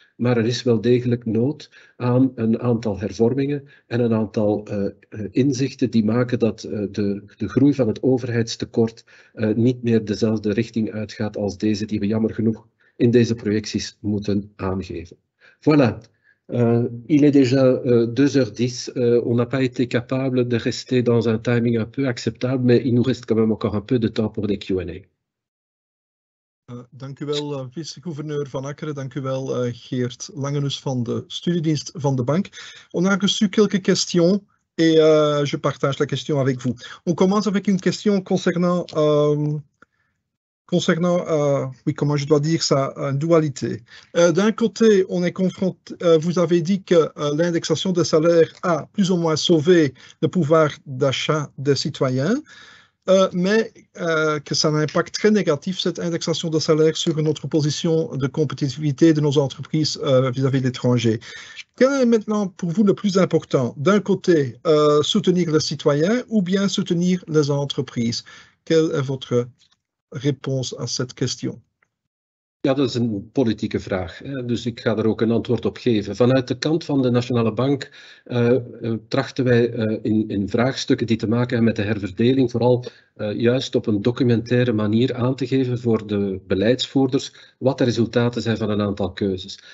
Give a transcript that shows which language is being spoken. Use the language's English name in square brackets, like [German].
[Dutch] Maar er is wel degelijk nood aan een aantal hervormingen en een aantal inzichten die maken dat de groei van het overheidstekort niet meer dezelfde richting uitgaat als deze die we jammer genoeg in deze projecties moeten aangeven. [French] Voilà. Il est déjà 2h10. On n'a pas été capable de rester dans un timing un peu acceptable, mais il nous reste quand même encore un peu de temps pour des Q&A. [Dutch] Dank u wel, vice-gouverneur Van Akkeren. Dank u wel, Geert Langenus van de studiedienst van de bank. [French] On a reçu quelques questions et je partage la question avec vous. On commence avec une question concernant, comment je dois dire ça, une dualité. D'un côté, on est confronté, vous avez dit que l'indexation des salaires a plus ou moins sauvé le pouvoir d'achat des citoyens. Mais que ça a un impact très négatif, cette indexation de salaire, sur notre position de compétitivité de nos entreprises vis-à-vis de l'étranger. Quel est maintenant pour vous le plus important? D'un côté, soutenir les citoyens ou bien soutenir les entreprises? Quelle est votre réponse à cette question? [Dutch] Ja, dat is een politieke vraag. Dus ik ga er ook een antwoord op geven. Vanuit de kant van de Nationale Bank trachten wij in vraagstukken die te maken hebben met de herverdeling vooral juist op een documentaire manier aan te geven voor de beleidsvoerders wat de resultaten zijn van een aantal keuzes.